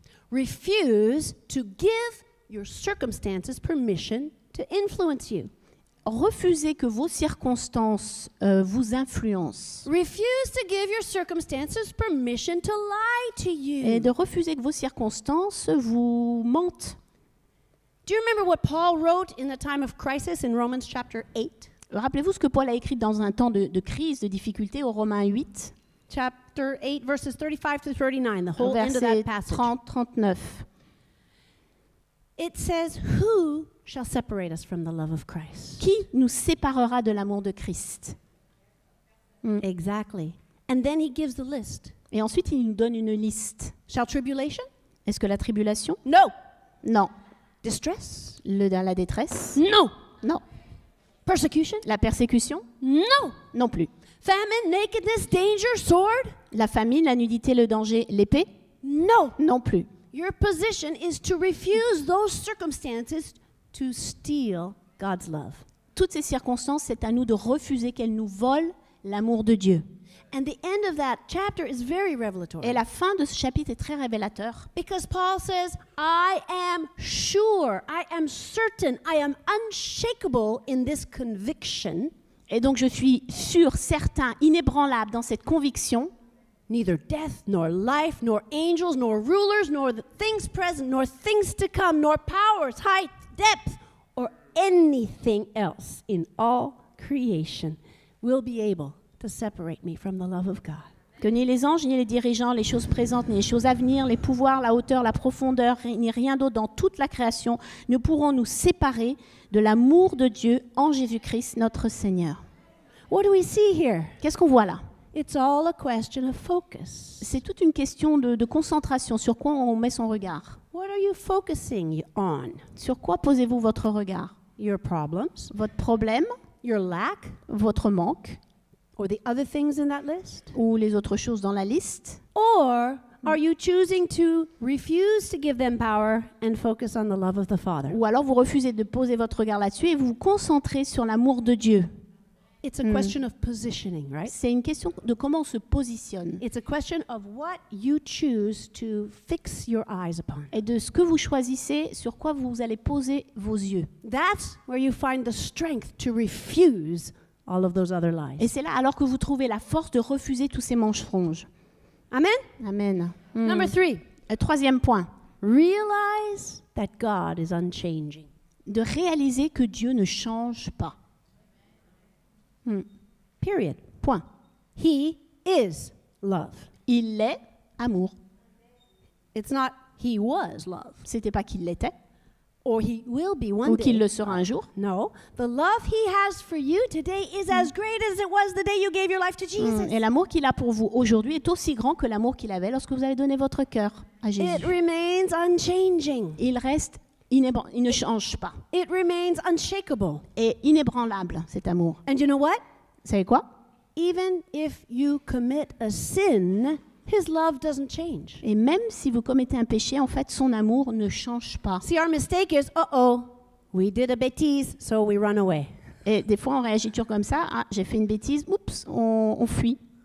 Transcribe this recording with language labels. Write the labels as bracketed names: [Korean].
[English] Refuse to give your circumstances permission to influence you. [French] refusez que vos circonstances vous influencent. [English] Refuse to give your circumstances permission to lie to you. [French] Et de refuser que vos circonstances vous mentent. [English] Do you remember what Paul wrote in the time of crisis in Romans chapter 8? [French] Rappelez-vous ce que Paul a écrit dans un temps de crise, de difficulté, aux Romains 8. [English] Chapter 8, verses 35 to 39, the whole end of that passage. [French] 30, 39. [English] It says, who shall separate us from the love of Christ? [French] Qui nous séparera de l'amour de Christ? [English] Exactly. And then he gives the list. [French] Et ensuite, il nous donne une liste. [English] Shall tribulation? [French] Est-ce que la tribulation? [English] No. [French] Non. [English] Distress? [French] La détresse? [English] No. [French] Non. [English] Persecution? [French] La persécution? Non. Non plus. [English] Famine, nakedness, danger, sword? [French] La famine, la nudité, le danger, l'épée? Non. Non plus. [English] Your position is to refuse those circumstances to steal God's love. [French] Toutes ces circonstances, c'est à nous de refuser qu'elles nous volent l'amour de Dieu. [English] And the end of that chapter is very revelatory. [French] Et la fin de ce chapitre est très révélateur. [English] Because Paul says, I am sure, I am certain, I am unshakable in this conviction. [French] Et donc je suis sûr, certain, inébranlable dans cette conviction. [English] Neither death, nor life, nor angels, nor rulers, nor the things present, nor things to come, nor powers, height, depth, or anything else in all creation will be able to separate me from the love of God. [French] Que ni les anges, ni les dirigeants, les choses présentes, ni les choses à venir, les pouvoirs, la hauteur, la profondeur, ni rien d'autre dans toute la création ne pourront nous séparer de l'amour de Dieu en Jésus-Christ notre Seigneur. [English] What do we see here? [French] Qu'est-ce qu'on voit là? [English] It's all a question of focus. [French] C'est toute une question de concentration, sur quoi on met son regard. [English] What are you focusing on? [French] Sur quoi posez-vous votre regard? [English] Your problems. [French] Votre problème. [English] Your lack. [French] Votre manque. [English] Or the other things in that list? [French] Ou les autres choses dans la liste? [English] Or are you choosing to refuse to give them power and focus on the love of the Father? [French] Ou alors vous refusez de poser votre regard là-dessus et vous vous concentrez sur l'amour de Dieu. [English] It's a question of positioning, right? [French] C'est une question de comment on se positionne. [English] It's a question of what you choose to fix your eyes upon. [French] Et de ce que vous choisissez, sur quoi vous allez poser vos yeux. [English] That's where you find the strength to refuse all of those other lies. [French] Et c'est là alors que vous trouvez la force de refuser tous ces mensonges. [English] Amen. [French] Amen. [English] Number three. [French] Un troisième point. [English] Realize that God is unchanging. [French] De réaliser que Dieu ne change pas. [English] Period. [French] Point. [English] He is love. [French] Il est amour. [English] It's not he was love. [French] C'était pas qu'il l'était. [English] Or he will be one day. [French] Ou qu'il le sera un jour. [English] No, the love he has for you today is as great as it was the day you gave your life to Jesus. [French] Et l'amour qu'il a pour vous aujourd'hui est aussi grand que l'amour qu'il avait lorsque vous avez donné votre cœur à Jésus. [English] It remains unchanging. [French] Il reste il ne change pas. [English] It remains unshakable. [French] Et inébranlable, cet amour. [English] And you know what? [French] Vous savez quoi? [English] Even if you commit a sin, his love doesn't change. [French] Et même si vous commettez un péché, en fait, son amour ne change pas. [English] See, our mistake is, we did a bêtise, so we run away. [French] Et des fois, on réagit toujours comme ça. Ah, j'ai fait une bêtise, oups, on fuit.